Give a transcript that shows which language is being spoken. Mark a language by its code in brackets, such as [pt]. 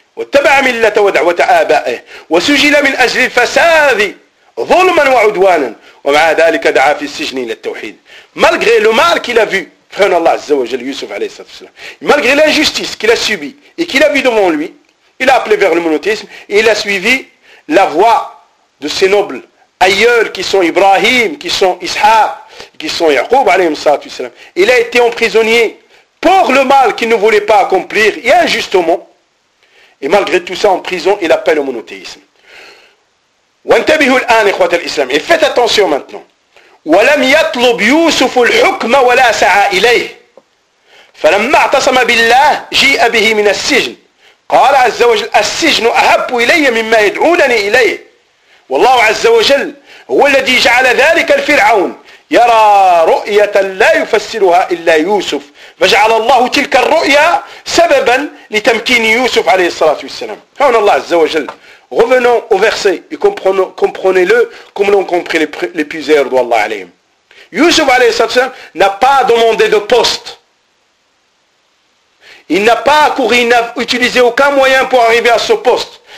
[ar] واتبع ملة ودعوة آبائه وسجل من أجل الفساد ظلما وعدوانا ومع ذلك دعا في السجن إلى التوحيد [fr] malgré le mal qu'il a vu frère Allah Azza wa Jal Yusuf alayhi salatu wasalam malgré l'injustice qu'il a subi et qu'il a vu devant lui il a appelé vers le monothéisme et il a suivi la voie de ses nobles ailleurs qui sont Ibrahim qui sont Ishaq qui sont Yaqub alayhi salatu wasalam il a été emprisonné pour le mal qu'il ne voulait pas accomplir et injustement. Et malgré tout ça, en prison, il appelle au monothéisme. [ar] وانتبهوا الآن إخوة الإسلام. [fr] Et faites attention maintenant. [ar] ولم يطلب يوسف الحكم ولا سعى إليه. فلما اعتصم بالله جاء به من السجن. قال عز وجل السجن أحب إلي مما يدعونني إليه. والله عز وجل هو الذي جعل ذلك الفرعون يرى رؤية لا يفسرها إلا يوسف. فجعل الله تلك الرؤيا سببا لتمكين يوسف عليه الصلاة والسلام. هون الله عز وجل. [fr] Revenons au verset et comprenez-le comme l'ont compris les puiseurs d'Allah alayhim. Yusuf alayhi salatu wasalam n'a pas demandé de poste. Il n'a pas couru, il n'a utilisé aucun moyen pour arriver à ce poste.